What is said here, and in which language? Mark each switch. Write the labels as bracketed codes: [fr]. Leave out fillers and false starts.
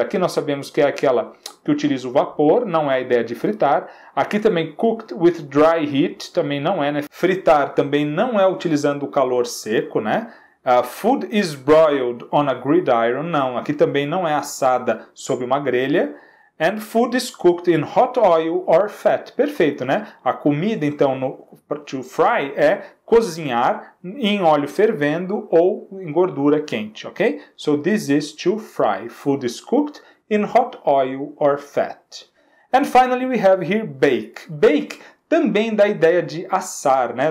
[pt] Aqui nós sabemos que é aquela que utiliza o vapor, não é a ideia de fritar. Aqui também, [en] cooked with dry heat, [pt] também não é. Né? Fritar também não é utilizando o calor seco, né? [en] Food is broiled on a gridiron. [pt] Não, aqui também não é assada sob uma grelha. [en] And food is cooked in hot oil or fat. [pt] Perfeito, né? A comida, então, [en] to fry [pt] é cozinhar em óleo fervendo ou em gordura quente, ok? [en] So this is to fry. Food is cooked in hot oil or fat. And finally we have here bake. [pt] Bake também dá a ideia de assar, né?